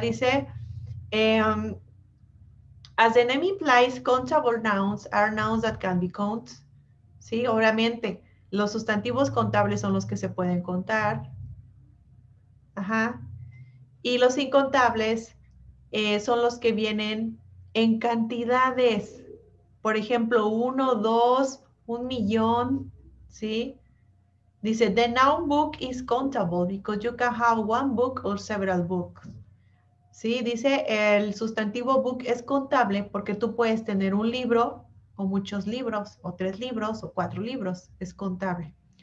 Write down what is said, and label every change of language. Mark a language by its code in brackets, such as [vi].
[es] Dice, [en] as the name implies, countable nouns are nouns that can be counted, [es] ¿sí? Obviamente. Los sustantivos contables son los que se pueden contar. Ajá. Y los incontables son los que vienen en cantidades. Por ejemplo, uno, dos, un millón, ¿sí? Dice, [en] the noun book is countable because you can have one book or several books. [es] ¿Sí? Dice, el sustantivo book es contable porque tú puedes tener un libro o muchos libros, o tres libros, o cuatro libros, es contable.